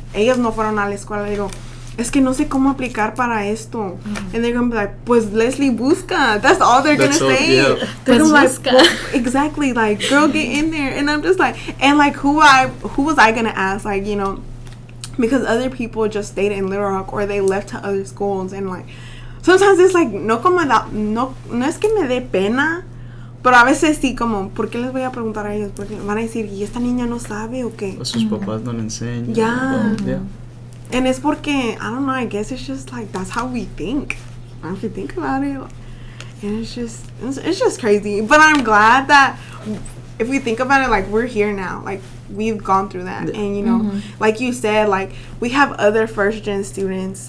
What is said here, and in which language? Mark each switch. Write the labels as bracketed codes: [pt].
[es] ellas no fueron a la escuela. Le digo, es que no sé cómo aplicar para esto. [en] And they're gonna be like, [es] pues Leslie, busca. [en] That's all they're gonna say. Yeah. [es] Pero busca. [en] Exactly, like, girl, get in there. And I'm just like, and like, who was I gonna ask? Like, you know, because other people just stayed in Little Rock or they left to other schools. And like, sometimes it's like, [es] no como da, no, no es que me dé pena. Pero a veces sí, como, ¿por qué les voy a preguntar a ellos? Porque van a decir, ¿y esta niña no sabe o qué? O sus papás no le enseñan. Ya. Yeah. [en] And it's porque, I don't know, I guess it's just like, that's how we think. If you think about it. And it's just crazy. But I'm glad that, if we think about it, like, we're here now. Like, we've gone through that. And, you know, like you said, like, we have other first-gen students.